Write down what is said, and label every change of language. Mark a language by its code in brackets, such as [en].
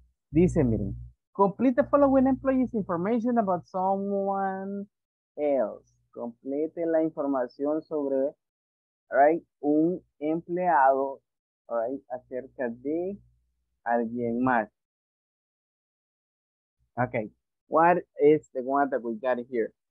[es] Dice, miren, [en] complete the following employees' information about someone else. [es] Complete la información sobre, right, un empleado, right, acerca de alguien más. [en] Okay, what is the one that we got here?